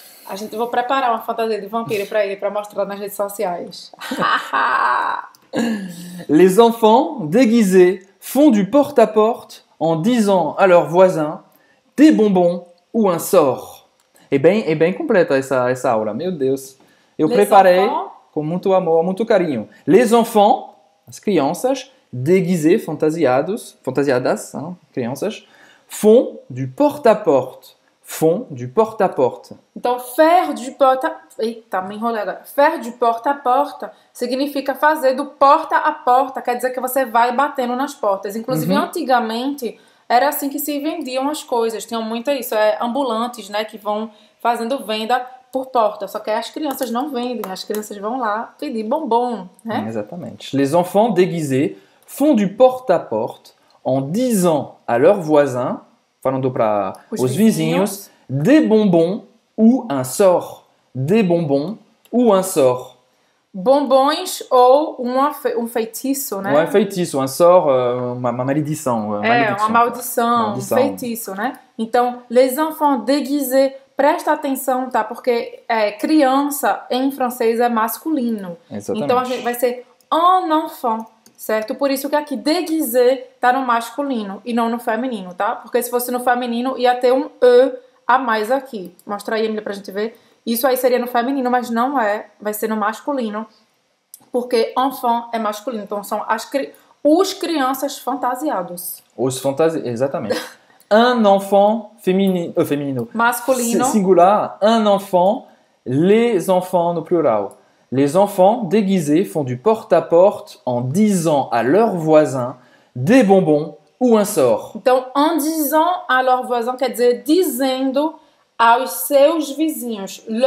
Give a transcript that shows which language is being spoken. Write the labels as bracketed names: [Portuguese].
[Portuguese] A gente vai preparar uma fantasia de vampiro pra ele, pra mostrar nas redes sociais. [French] Les enfants déguisés font du porte-à-porte en disant à leurs voisins des bonbons ou un sort. [Portuguese] É bem completa essa aula, meu Deus. Eu preparei com muito amor, muito carinho. [French] Les enfants, [Portuguese] as crianças... [French] déguisés, [Portuguese] fantasiados, fantasiadas, hein, crianças, [French] font du porte-à-porte. Font du porte-à-porte. [Portuguese] Então, [French] faire du porte-à-porte... [Portuguese] Eita, me enrolei agora. [French] Faire du porte-à-porte [Portuguese] significa fazer do porta-à-porta, quer dizer que você vai batendo nas portas. Inclusive, uhum. Antigamente, era assim que se vendiam as coisas. Tinha muito isso, ambulantes, né, que vão fazendo venda por porta, só que as crianças não vendem, as crianças vão lá pedir bonbon, né? Exatamente. [French] Les enfants déguisés font du porte-à-porte en disant à leurs voisins, [Portuguese] falando para os vizinhos, [French] des bonbons ou un sort. Des bonbons ou un sort. [Portuguese] Bonbons ou um feitiço, né? Ou un feitiço, [French] un sort, [Portuguese] uma maldição. Uma maldição, um feitiço, né? Então, [French] les enfants déguisés, [Portuguese] presta atenção, tá? Porque criança em francês é masculino. Exatamente. Então, vai ser un enfant. Certo? Por isso que aqui déguisé tá no masculino e não no feminino, tá? Porque se fosse no feminino, ia ter um e a mais aqui. Mostra aí, Emília, pra gente ver. Isso aí seria no feminino, mas não é. Vai ser no masculino. Porque enfant é masculino. Então, são os crianças fantasiados. Os fantasiados, exatamente. Un enfant feminino. Masculino. Singular. [French] Un enfant, les enfants no plural. Les enfants déguisés font du porte-à-porte en disant à leurs voisins des bonbons ou un sort. [Portuguese] Então, [French] en disant à leurs voisins, [Portuguese] quer dizer, dizendo aos seus vizinhos.